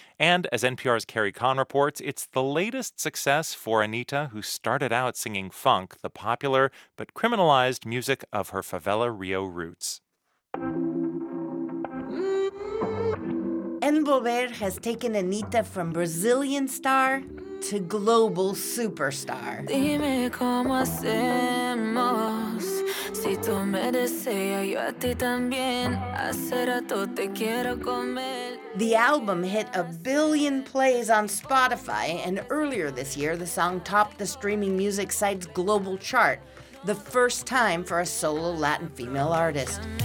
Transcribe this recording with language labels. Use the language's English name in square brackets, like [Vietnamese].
[English] And as NPR's Carrie Kahn reports, it's the latest success for Anitta, who started out singing funk, the popular but criminalized music of her favela Rio roots. Envolver has taken Anitta from Brazilian star to global superstar. [Spanish] Dime cómo hacemos, si tú me deseas, yo a ti también, hace rato te quiero comer. [English] The album hit a billion plays on Spotify, and earlier this year, the song topped the streaming music site's global chart, the first time for a solo Latin female artist.